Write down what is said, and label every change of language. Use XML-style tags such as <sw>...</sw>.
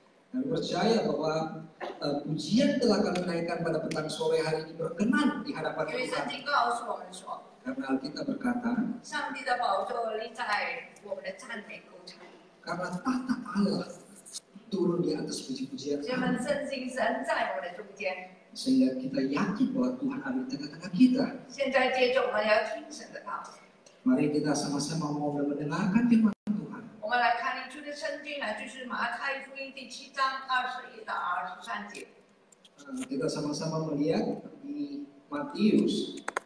<id>Kami percaya bahwa pujian telah kami naikkan pada petang sore hari ini berkenan di hadapan Tuhan。</id> <zh>因为圣经告诉我们说。</zh> <id>Karena Alkitab berkata,</id> <zh>上帝的宝座立在我们的赞美歌唱。</zh> <id>Karena tata Allah turun di atas puji-pujian.</id> <zh>我们深信神在我们的中间。</zh> <id>Sehingga kita yakin bahwa Tuhan ada di tengah-tengah kita.</id> <zh>现在接着我们要听神的道。</zh> <id>Mari kita sama-sama mau mendengarkan firman Tuhan.</id> <zh>我们来看一处的圣经，来就是马太福音第七章二十一到二十三节。</zh> <id>Kita sama-sama melihat di Matius.</id>